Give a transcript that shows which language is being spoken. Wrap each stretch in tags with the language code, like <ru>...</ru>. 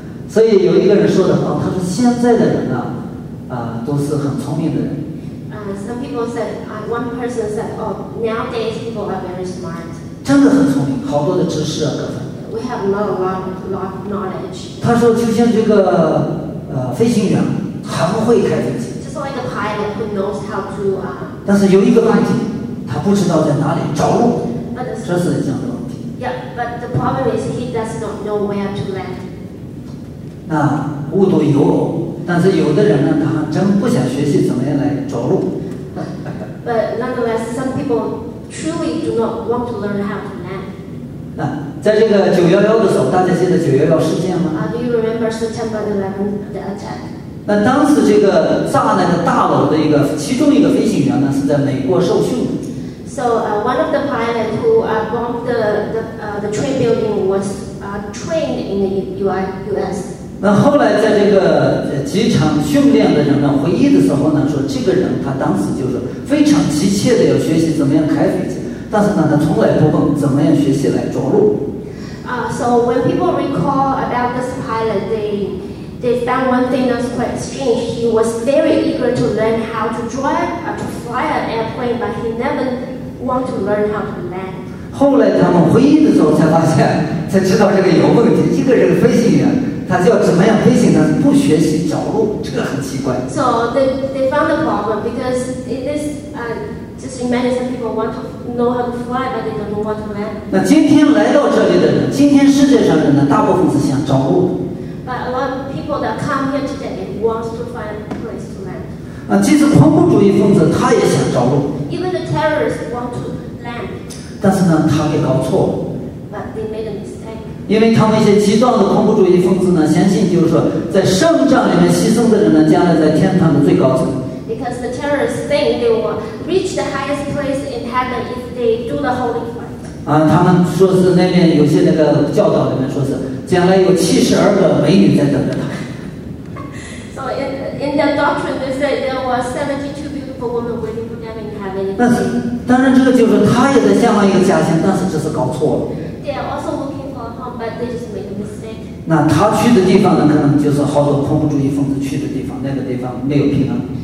<zh>所以有一个人说的话，他说现在的人呢，都是很聪明的人。</zh> <en>Some people said, one person said, nowadays people are very smart.</en> <zh>真的很聪明，好多的知识啊，各方。</zh> <en>We have a lot of knowledge.</en> <zh>他说就像这个飞行员，很会开飞机。</zh> <en>Just like a pilot who knows how to.</en> <zh>但是有一个问题。他不知道在哪里着陆，</zh> <en>but</en> <zh>这是一样的问题。</zh> <en>Yeah, but the problem is he does not know where to land.</en> <zh>那误读有，但是有的人呢，他真不想学习怎么样来着陆。</zh> <en>But nonetheless, some people truly do not want to learn how to land.</en> <zh>那在这个911的时候，大家记得911事件吗？</zh> <en>Do you remember September 11 the attack?</en> <zh>那当时这个炸那个大楼的一个其中一个飞行员呢，是在美国受训的。</zh> <en>So one of the pilot who bombed the train building was trained in the U.S.</en> <zh>那后来在这个机场训练的人呢，回忆的时候呢，说这个人他当时就是非常急切的要学习怎么样开飞机，但是呢，他从来不问怎么样学习来着陆。</zh> <en>So when people recall about this pilot, they found one thing that's quite strange. He was very eager to learn how to drive, to fly an airplane, but he never wanted to learn how to land.</en> <zh>后来他们回忆的时候才发现，才知道这个有问题。一个人飞行员，他叫怎么样飞行呢？不学习着陆，这个很奇怪。</zh> <en>So they found the problem because it is just imagine some people want to know how to fly, but they don't know what to land.</en> <zh>那今天来到这里的人，今天世界上的人，大部分是想着陆。</zh> <en>But a lot of people that come here today wants to find a place to land.</en> <zh>即使恐怖主义分子他也想着陆。</zh> <en>Even the terrorists want to land.</en> <zh>但是呢，他给搞错了。</zh> <en>But they made a mistake.</en> <zh>因为他们一些极端的恐怖主义分子呢，相信就是说，在圣战里面牺牲的人呢，将来在天堂的最高层。</zh> <en>Because the terrorists think they will reach the highest place in heaven if they do the holy fight.</en> <zh>啊，他们说是那边有些那个教导里面说是，将来有72个美女在等着他。</zh> <en>So in their doctrine, they said there were 72 beautiful women waiting for them in heaven.</en> <zh>但是，当然这个就是他也在向往一个家乡，但是这是搞错了。</zh> <en>They are also looking for home, but they just made a mistake.</en> <zh>那他去的地方呢，可能就是好多恐怖主义分子去的地方，那个地方没有平安。</zh>